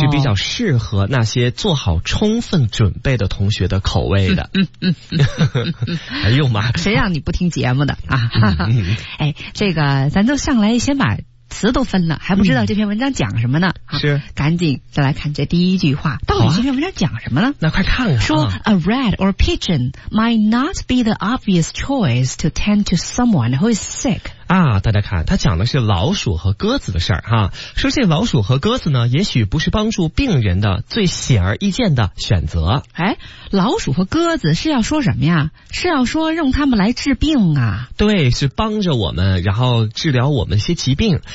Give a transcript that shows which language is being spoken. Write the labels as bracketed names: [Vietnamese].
[Chinese] 是比较适合那些做好充分准备的同学的口味的。嗯。哎呦妈！谁让你不听节目的啊？哎，这个咱都上来先把词都分了，还不知道这篇文章讲什么呢、是，赶紧再来看这第一句话，到底这篇文章讲什么呢？那快看看， [English] 说 A rat or pigeon might not be the obvious choice to tend to someone who is sick。 [Chinese] 啊，大家看，他讲的是老鼠和鸽子的事儿哈、啊。说这老鼠和鸽子呢，也许不是帮助病人的最显而易见的选择。哎，老鼠和鸽子是要说什么呀？是要说用他们来治病啊？对，是帮着我们，然后治疗我们一些疾病。